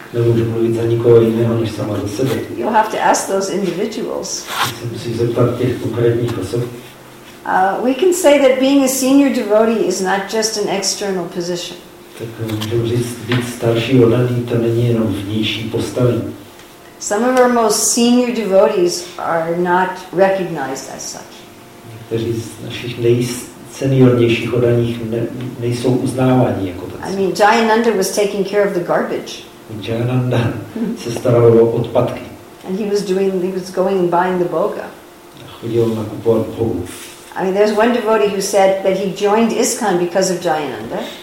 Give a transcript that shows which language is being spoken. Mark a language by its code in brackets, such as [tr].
[cs] Nemůžu mluvit za nikoho jiného než sama za sebe. [en] You'll have to ask those individuals. [cs] Musím se zeptat těch konkrétních osob. [en] We can say that being a senior devotee is not just an external position. [cs] Tak můžeme říct, být starší oddaný, to není jenom vnější postavení. [en] Some of our most senior devotees are not recognized as such. [cs] Někteří z našich nejseniornějších oddaných nejsou uznáváni jako tak. [en] I mean, Jayananda was taking care of the garbage. [cs] Jayananda se staral o odpadky. [en] And he was going and buying the bhoga. [cs] A chodil nakupovat bhogu. [en] I mean, there's one devotee who said that he joined ISKCON because of Jayananda.